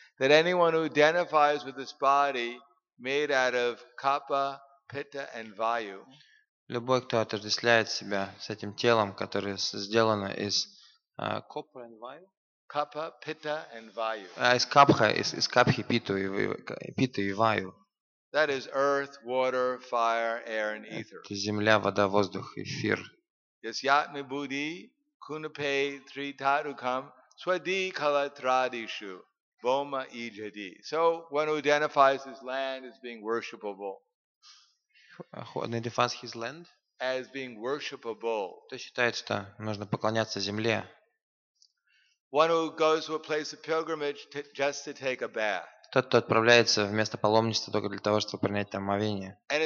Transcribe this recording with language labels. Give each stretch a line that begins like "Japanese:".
English: That anyone who identifies with this body made out of Kapha, Pitta and Vayu.
Russian: Любой, кто отождествляет себя с этим телом, которое сделано из
English: Kapha and Vayu. Kapha, Pitta and Vayu.
Russian: Из капхи, Питу и Ваю.
English: That is earth, water, fire, air, and ether.
Russian: Это земля, вода, воздух, эфир.
Sanskrit: Yasyatma buddhi kunape tri tarukam swadhi kalatradishu boma ijadi.
English: So one who identifies his land as being worshipable. Who identifies his land? As being worshipable.
Russian: Кто считает, что нужно поклоняться земле?
English: One who goes to a place of pilgrimage just to take a bath.
Russian: Тот, кто отправляется в место паломничества только для того, чтобы принять там омовение.